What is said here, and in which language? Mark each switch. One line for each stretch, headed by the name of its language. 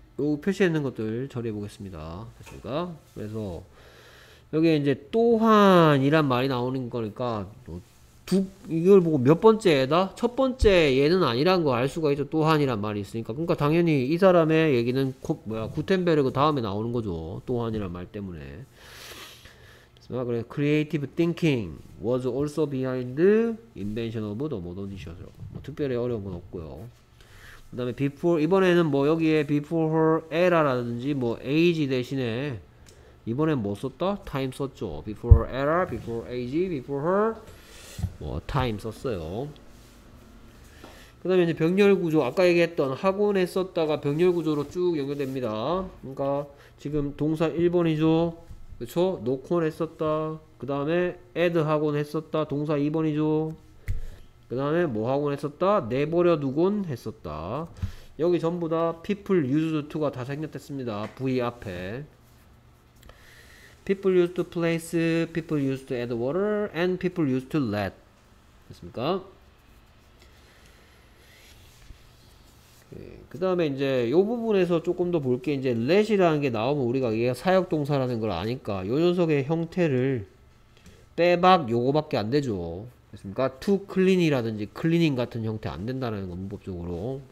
Korean: 요 표시해 있는 것들 처리해 보겠습니다. 제가 그래서 여기에 이제 또한이란 말이 나오는 거니까 이걸 보고 몇 번째에다? 첫 번째 얘는 아니란 거알 수가 있죠. 또한이란 말이 있으니까. 그러니까 당연히 이 사람의 얘기는 뭐야, 구텐베르그 다음에 나오는 거죠. 또한이란 말 때문에. 아, 그래.
English: Creative thinking was also behind invention of the modern dishwasher.
Korean: 뭐 특별히 어려운 건 없고요. 그다음에 before, 이번에는 뭐 여기에
English: before her era
Korean: 라든지 뭐 age 대신에 이번엔 뭐 썼다? time 썼죠.
English: before her era, before age, before her 뭐 time
Korean: 썼어요. 그다음에 이제 병렬 구조, 아까 얘기했던 학원에 썼다가 병렬 구조로 쭉 연결됩니다. 그러니까 지금 동사 1번이죠. 그쵸? knock on 했었다. 그 다음에 add 하곤 했었다. 동사 2번이죠. 그 다음에 뭐 하곤 했었다? 내버려 두곤 했었다. 여기 전부 다 people used to가 다 생략됐습니다. V 앞에.
English: People used to place, people used to add water, and people used to let.
Korean: 됐습니까? 그 다음에 이제 요 부분에서 조금 더 볼게. 이제 let이라는 게 나오면 우리가 얘가 사역동사라는 걸 아니까 요 녀석의 형태를 빼박 요거밖에 안 되죠. 됐습니까? to clean이라든지 cleaning 같은 형태 안 된다는 건 문법적으로.